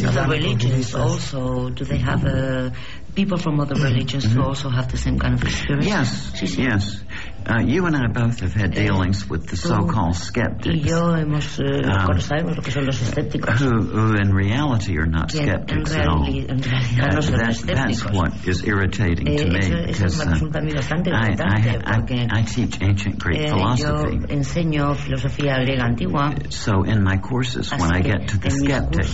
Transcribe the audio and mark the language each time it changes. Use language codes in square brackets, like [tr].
[en] In other religions also, do they have people from other religions who also have the same kind of experience? Yes, [es] sí, sí. [en] Yes. You and I both have had dealings with the so-called skeptics. [es] Y yo hemos conocido lo que son los escépticos. [en] Who in reality are not skeptics at all. [es] En realidad no son escépticos. [en] That's what is irritating to me, [es] eso, [en] because I teach ancient Greek philosophy. [es] Yo enseño filosofía griega antigua. [en] So in my courses, when I get to the skeptics,